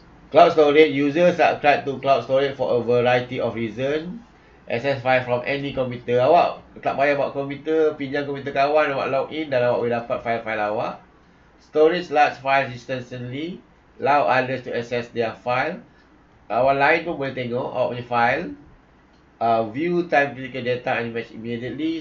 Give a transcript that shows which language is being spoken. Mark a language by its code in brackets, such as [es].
[en] Cloud storage, user subscribe to cloud storage for a variety of reasons. Access file from any computer. [ms] Awak tak payah buat komputer, pinjam komputer kawan, awak log in dan awak boleh dapat file-file awak. [en] Storage large file distantly, allow others to access their file. [ms] Awak lain pun boleh tengok awak punya file. [en] View time critical data and image immediately.